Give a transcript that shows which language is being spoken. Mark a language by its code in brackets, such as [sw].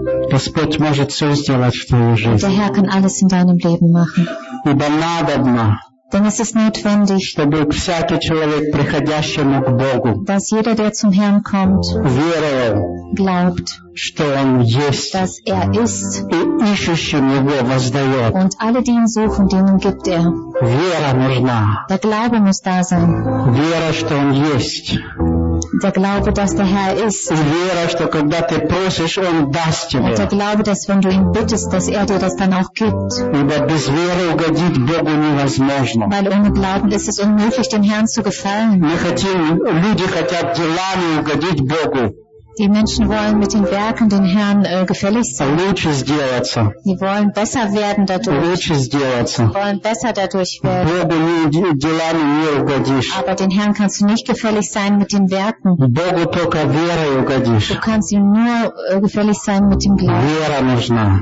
[ru] Господь может все сделать в Твоей жизни. [de] Der Herr kann alles in deinem Leben machen. [ru] Ибо надобно. [de] Denn es ist notwendig, [ru] чтобы всякий человек, приходящему к Богу, [de] dass jeder, der zum Herrn kommt, [ru] веровал, [de] glaubt, [ru] что Он есть, [de] dass er ist, [ru] и ищущим Его воздает. [de] Und alle, die ihn suchen, denen gibt er. [ru] Вера нужна. [de] Der Glaube muss da sein. [ru] Вера, что Он есть. [de] Der Glaube, dass der Herr ist. [ru] И вера, что когда ты просишь, Он даст тебе. [de] Der Glaube, dass wenn du ihn bittest, dass er dir das dann auch gibt. [ru] Ибо без веры угодить Богу невозможно. [de] Weil ohne Glauben ist es unmöglich, dem Herrn zu gefallen. [ru] Мы хотим, люди хотят делами угодить Богу. [de] Die Menschen wollen mit den Werken den Herrn gefällig sein. Sie wollen besser werden dadurch. Sie wollen besser dadurch werden. Aber den Herrn kannst du nicht gefällig sein mit den Werken. Du kannst ihm nur gefällig sein mit dem Glauben.